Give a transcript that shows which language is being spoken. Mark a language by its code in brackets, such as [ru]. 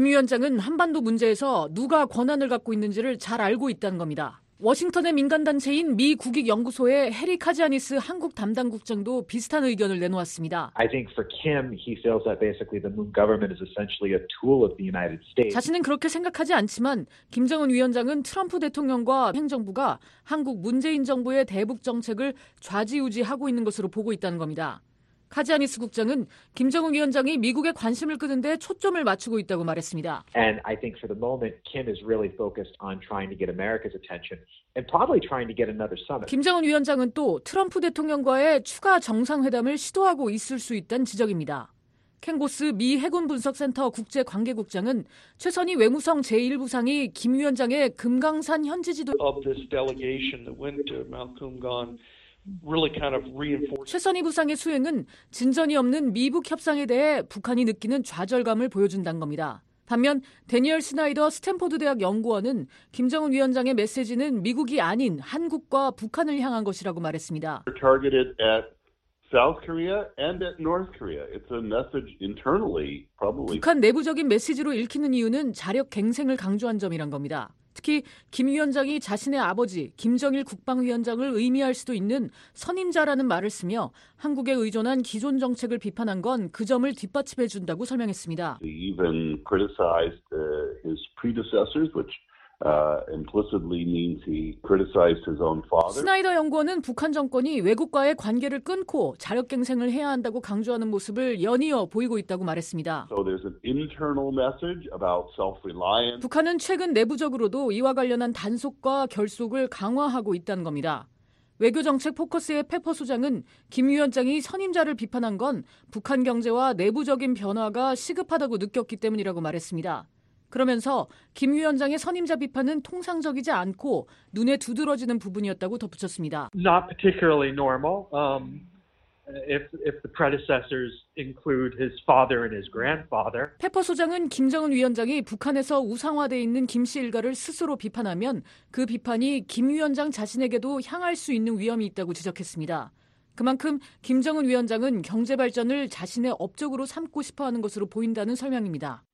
[ko] 김 위원장은 한반도 문제에서 누가 권한을 갖고 있는지를 잘 알고 있다는 겁니다. 워싱턴의 민간단체인 미 국익연구소의 해리 카지아니스 한국 담당 국장도 비슷한 의견을 내놓았습니다. [en] I think for Kim, he feels that basically the Moon government is essentially a tool of the United States. [ko] 자신은 그렇게 생각하지 않지만 김정은 위원장은 트럼프 대통령과 행정부가 한국 문재인 정부의 대북 정책을 좌지우지하고 있는 것으로 보고 있다는 겁니다. 카지아니스 국장은 김정은 위원장이 미국의 관심을 끄는 데 초점을 맞추고 있다고 말했습니다. [en] And I think for the moment Kim is really focused on trying to get America's attention and probably trying to get another summit. [ko] 김정은 위원장은 또 트럼프 대통령과의 추가 정상회담을 시도하고 있을 수 있다는 지적입니다. 캥고스 미 해군 분석센터 국제 관계 국장은 최선희 외무성 제1부상이 김 위원장의 금강산 현지 지도 [en] of this delegation that went to Mount Kumgan really kind of reinforced [ko] 최선희 부상의 수행은 진전이 없는 미북 협상에 대해 북한이 느끼는 좌절감을 보여준다는 겁니다. 반면 대니얼 스나이더 스탠퍼드 대학 연구원은 김정은 위원장의 메시지는 미국이 아닌 한국과 북한을 향한 것이라고 말했습니다. [en] Targeted at South Korea and at North Korea. It's a message internally probably [ko] 북한 내부적인 메시지로 읽히는 이유는 자력 갱생을 강조한 점이란 겁니다. 특히 김 위원장이 자신의 아버지 김정일 국방위원장을 의미할 수도 있는 선임자라는 말을 쓰며 한국에 의존한 기존 정책을 비판한 건 그 점을 뒷받침해 준다고 설명했습니다. [en] Even criticized his predecessors, which implicitly means he criticized his own father. [ko] 스나이더 연구원은 북한 정권이 외국과의 관계를 끊고 자력갱생을 해야 한다고 강조하는 모습을 연이어 보이고 있다고 말했습니다. [en] So there's an internal message about self-reliance. [ko] 북한은 최근 내부적으로도 이와 관련한 단속과 결속을 강화하고 있다는 겁니다. 외교정책 포커스의 페퍼 소장은 김 위원장이 선임자를 비판한 건 북한 경제와 내부적인 변화가 시급하다고 느꼈기 때문이라고 말했습니다. 그러면서 김 위원장의 선임자 비판은 통상적이지 않고 눈에 두드러지는 부분이었다고 덧붙였습니다. [en] Not particularly normal. If the predecessors include his father and his grandfather. [ko] 페퍼 소장은 김정은 위원장이 북한에서 우상화돼 있는 김 씨 일가를 스스로 비판하면 그 비판이 김 위원장 자신에게도 향할 수 있는 위험이 있다고 지적했습니다. 그만큼 김정은 위원장은 경제 발전을 자신의 업적으로 삼고 싶어 하는 것으로 보인다는 설명입니다.